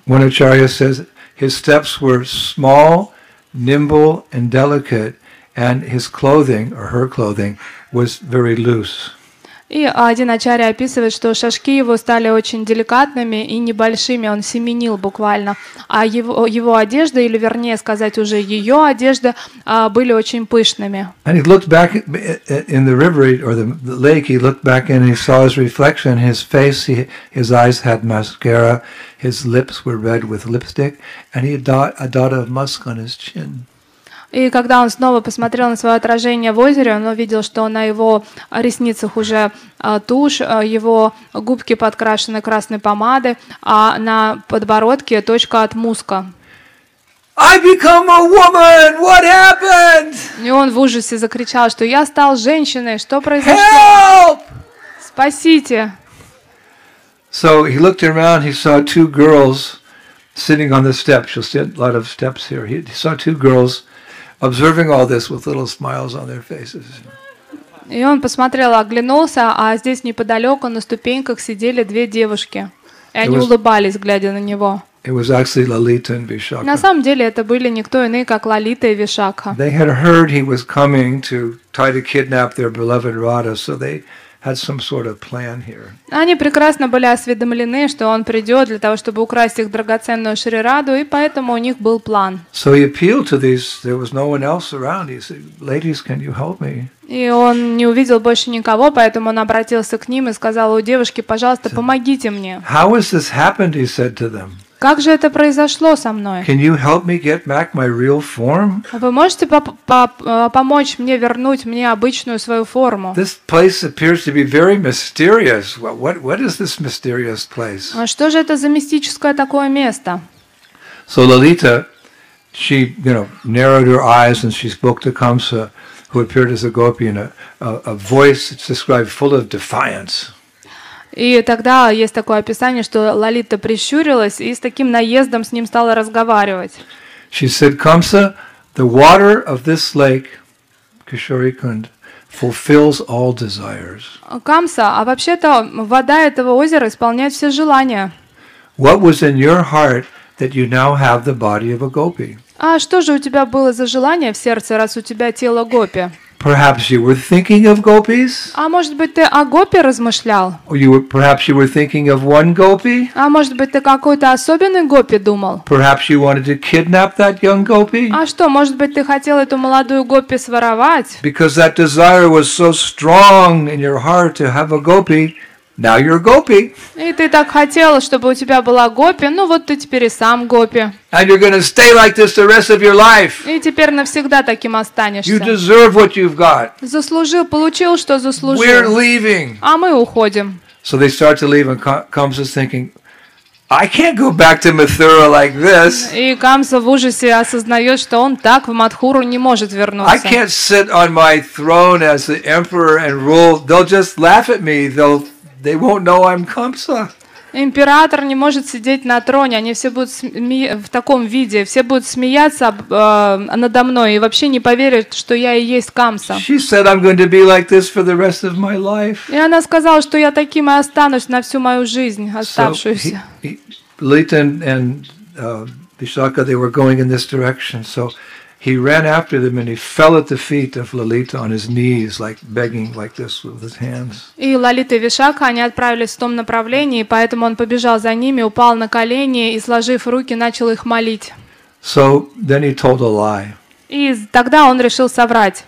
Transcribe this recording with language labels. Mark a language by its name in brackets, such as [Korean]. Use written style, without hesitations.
[English] One acharya says his steps were small, nimble and delicate, and his clothing, or her clothing, was very loose. [Russian] И один ачарья описывает, что шашки его стали очень деликатными и небольшими, он семенил буквально. А его одежда, или вернее сказать уже ее одежда, были очень пышными. [English] And he looked back in the river or the lake, he looked back and he saw his reflection, his face, his eyes had mascara, his lips were red with lipstick, and he had a dot of musk on his chin. [Russian] И когда он снова посмотрел на свое отражение в озере, он увидел, что на его ресницах уже тушь, его губки подкрашены красной помадой, а на подбородке точка от муска. [English] I become a woman! What happened? [Russian] И он в ужасе закричал, что я стал женщиной, что произошло? [English] Help! [Russian] Спасите! [English] So he looked around, he saw two girls sitting on the steps. You'll see a lot of steps here. He saw two girls observing all this with little smiles on their faces. [Russian] И он посмотрел, оглянулся, а здесь неподалеку на ступеньках сидели две девушки, и они улыбались, глядя на него. [English] It was actually Lalita and Vishakha. [Russian] На самом деле это были никто иные, как Лалита и Вишакха. [English] They had heard he was coming to try to kidnap their beloved Radha, so they had some sort of plan here. [Russian] Они прекрасно были осведомлены, что он придет для того, чтобы украсть их драгоценную Шри Раду, и поэтому у них был план. [English] So he appealed to these. There was no one else around. He said, "Ladies, can you help me?" [Russian] И он не увидел больше никого, поэтому он обратился к ним и сказал: "У девушки, пожалуйста, помогите мне." [English] How has this happened? He said to them. [Russian] Как же это произошло со мной? [English] Can you help me get back my real form? [Russian] Вы можете помочь мне вернуть мне обычную свою форму? [English] This place appears to be very mysterious. What is this mysterious place? [Russian] А что же это за мистическое такое место? [English] So Lalita, she, you know, narrowed her eyes and she spoke to Kamsa, who appeared as a gopi, in a voice that's described full of defiance. [Russian] И тогда есть такое описание, что Лалита прищурилась и с таким наездом с ним стала разговаривать. [English] She said, "Kamsa, the water of this lake, Kishori Kund, fulfills all desires." [Russian] Камса, а вообще-то вода этого озера исполняет все желания. [English] What was in your heart that you now have the body of a gopi? [Russian] А что же у тебя было за желание в сердце, раз у тебя тело гопи? [English] Perhaps you were thinking of gopis? [Russian] А может быть ты о гопи размышлял? [English] Or you were, perhaps you were thinking of one gopi? [Russian] А может быть ты какой-то особенный гопи думал? [English] Perhaps you wanted to kidnap that young gopi? [Russian] А что, может быть ты хотел эту молодую гопи своровать? [English] Because that desire was so strong in your heart to have a gopi, now you're a gopi. [Russian] И ты так хотел, чтобы у тебя была гопи, ну вот ты теперь и сам гопи. [English] And you're going to stay like this the rest of your life. [Russian] И теперь навсегда таким останешься. [English] You deserve what you've got. [Russian] Заслужил, получил, что заслужил. [English] We're leaving. [Russian] А мы уходим. [English] So they start to leave, and Kamsa is thinking, I can't go back to Mathura like this. [Russian] И Камса в ужасе осознает, что он так в Матхуру не может вернуться. [English] I can't sit on my throne as the emperor and rule. They'll just laugh at me. They won't know I'm Kamsa. [Russian] Император не может сидеть на троне, они все будут в таком виде, все будут смеяться надо мной и вообще не поверят, что я и есть Камса. [English] She said I'm going to be like this for the rest of my life. [Russian] И она сказала, что я таким и останусь на всю мою жизнь оставшуюся. [English] So Lita and Vishakha, they were going in this direction, so he ran after them and he fell at the feet of Lalita on his knees, like begging like this with his hands. [Russian] И Лалита и Вишакха, они отправились в том направлении, поэтому он побежал за ними, упал на колени и, сложив руки, начал их молить. [English] So then he told a lie. [Russian] И тогда он решил соврать.